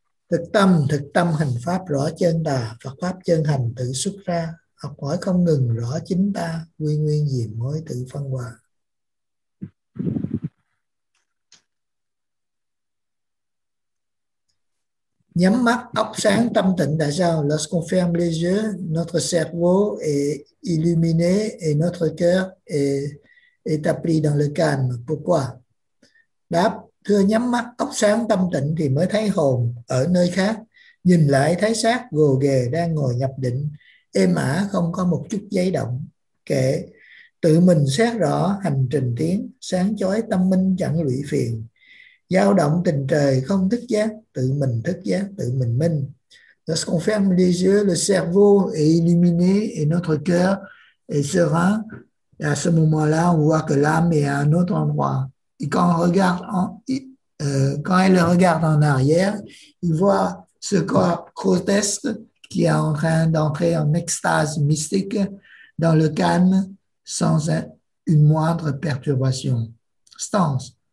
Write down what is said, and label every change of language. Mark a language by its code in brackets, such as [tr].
[vi] Thực tâm hành pháp rõ chân đà, Phật pháp chân hành tự xuất ra. Học hỏi không ngừng rõ chính ta, quy nguyên diền mới tự phân hòa. Nhắm mắt, óc sáng, tâm tịnh, tại sao? [fr] Lorsqu'on ferme les yeux, notre cerveau est illuminé et notre cœur est appris dans le calme. Pourquoi? [vi] Đáp, thưa nhắm mắt, óc sáng, tâm tịnh thì mới thấy hồn ở nơi khác. Nhìn lại thấy xác gồ ghề đang ngồi nhập định, êm ả không có một chút dây động. Kể, tự mình xét rõ hành trình tiến, sáng chói tâm minh chẳng lụy phiền. Dao động tình trời không thức giác, tự mình thức giác, tự mình minh. [fr] Lorsqu'on ferme les yeux, le cerveau est illuminé et notre cœur est serein. Et à ce moment-là, on voit que l'âme est à un autre endroit. Et quand on regarde, quand elle regarde en arrière, il voit ce corps grotesque qui est en train d'entrer en extase mystique dans le calme sans une moindre perturbation. Stance.